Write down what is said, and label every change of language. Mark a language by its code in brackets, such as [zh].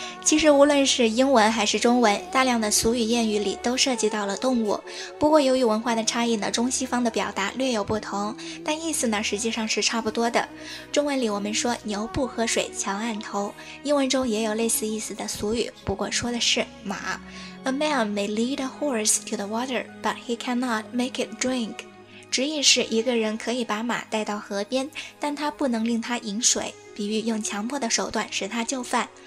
[zh] 其实无论是英文还是中文，大量的俗语谚语里都涉及到了动物。不过由于文化的差异呢，中西方的表达略有不同，但意思呢实际上是差不多的。中文里我们说牛不喝水强按头，英文中也有类似意思的俗语，不过说的是马。 [en] A man may lead a horse to the water, but he cannot make it drink. [zh] 直译是一个人可以把马带到河边，但他不能令他饮水，比喻用强迫的手段使他就范。